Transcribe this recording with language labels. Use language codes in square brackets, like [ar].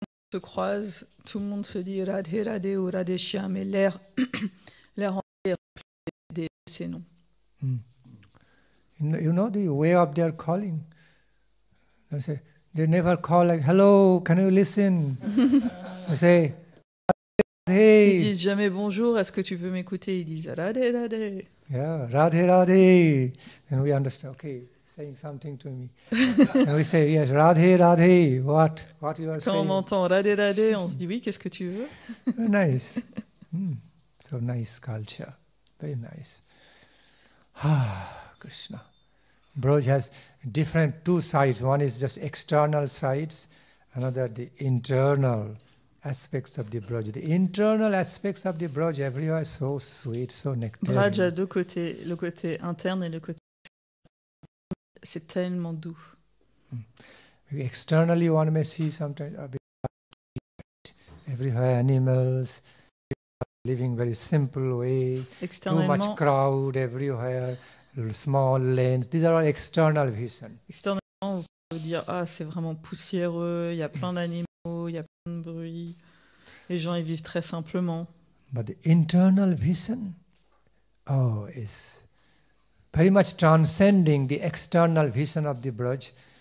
[fr] Se croise, tout le monde se dit Radhe Radhe ou Radhe Shyam, et l'air l'air rempli de ces noms. [en] You know the way of their calling. They say, they never call like, hello, can you listen? They say, Radhe. [fr] Ils disent jamais bonjour, est-ce que tu peux m'écouter? Ils disent Radhe, Radhe. [en] Yeah, Radhe, Radhe. And we understand, saying something to me. And we say, yes, Radhe, Radhe, what you are saying? [fr] Quand on entend Radhe, Radhe, on se dit, oui, qu'est-ce que tu veux? [en] Nice. So nice culture. Very nice. Krishna. Braj has different two sides. One is just external sides, another the internal aspects of the Braj. The internal aspects of the Braj everywhere is so sweet, so nectarian. [fr] Braj a deux côtés, le côté interne et le côté externe. C'est tellement doux. [en] Externally, one may see sometimes everywhere animals, living very simple way, too much crowd everywhere. Small lanes. These are all external vision. [fr] Externalement, on peut dire c'est vraiment poussiéreux. Il y a plein d'animaux, il y a plein de bruit. Les gens y vivent très simplement. [en] But the internal vision, is very much transcending the external vision of the Braj.